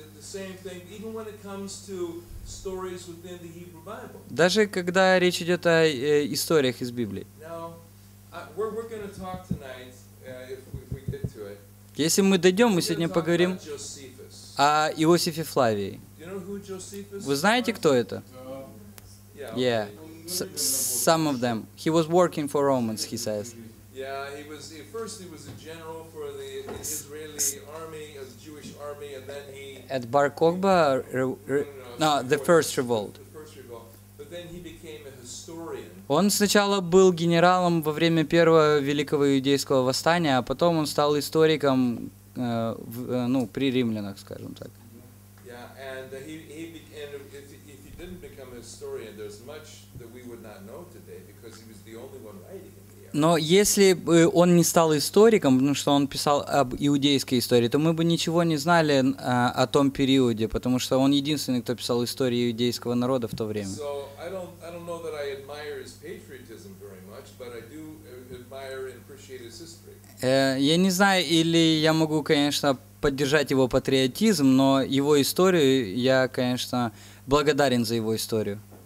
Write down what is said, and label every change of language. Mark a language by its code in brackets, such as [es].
[en] same thing, even when it comes to stories within the Hebrew Bible. [ru] Даже когда речь идет о историях из Библии. [en] Now, we're going to talk tonight, if we get to it. [ru] Если мы дойдем, мы сегодня поговорим о Иосифе Флавии. [en] You know who Josephus? [ru] Вы знаете, кто это? [en] Yeah. Some of them. He was working for Romans, he says. Yeah, he was. At first, he was a general for the Israeli army, the Jewish army, and then he. At Bar Kokhba, the first revolt. The first revolt. But then he became a historian. [ru] Он сначала был генералом во время первого великого иудейского восстания, а потом он стал историком, при римлянах, скажем так. [en] Yeah, and he became, if he didn't become a historian, there's much that we would not know today because he was the only one writing. [ru] Но если бы он не стал историком, потому что он писал об иудейской истории, то мы бы ничего не знали о том периоде, потому что он единственный, кто писал историю иудейского народа в то время. [en] So, I don't know that I admire his patriotism very much, but I do admire and appreciate his history. [ru] Я не знаю, или я могу, конечно, поддержать его патриотизм, но его историю, я, конечно, благодарен за его историю.